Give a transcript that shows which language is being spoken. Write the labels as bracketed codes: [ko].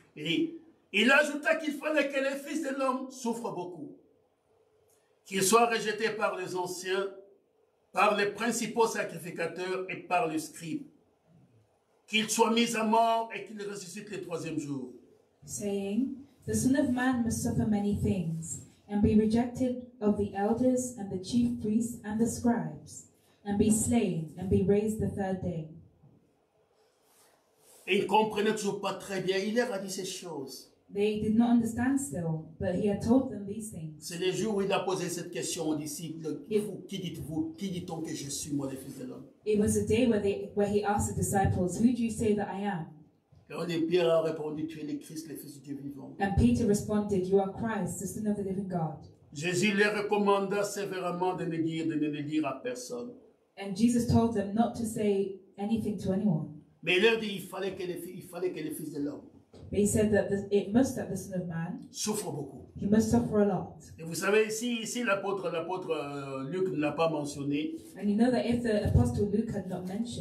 [fr] Il ajouta qu'il fallait que le Fils de l'homme souffre beaucoup, qu'il soit rejeté par les anciens, par les principaux sacrificateurs et par les scribes, qu'il soit mis à mort et qu'il ressuscite le troisième jour. [en] Saying, the Son of Man must suffer many things, and be rejected of the elders and the chief priests and the scribes, and be slain and be raised the third day. [fr] Ils ne comprenaient toujours pas très bien. Il leur a dit ces choses. [en] They did not understand still, but he had told them these things. [fr] C'est le jour où il a posé cette question aux disciples. Qui dit-on que je suis moi, le Fils de l'homme? [en] It was a day where he asked the disciples, who do you say that I am? [fr] Et Pierre a répondu, tu es le Christ, le Fils du Dieu vivant. [en] And Peter responded, you are Christ, the Son of the living God. [fr] Jésus les recommanda sévèrement de ne le dire à personne. [en] And Jesus told them not to say anything to anyone. [fr] Mais il leur dit, il fallait que le Fils de l'homme. [en] But he said that it must that the Son of Man [fr] souffre beaucoup. [en] He must suffer a lot. [fr] Et vous savez, ici l'apôtre Luc ne l'a pas mentionné. [en] And you know that if the apostle Luke had not mentioned.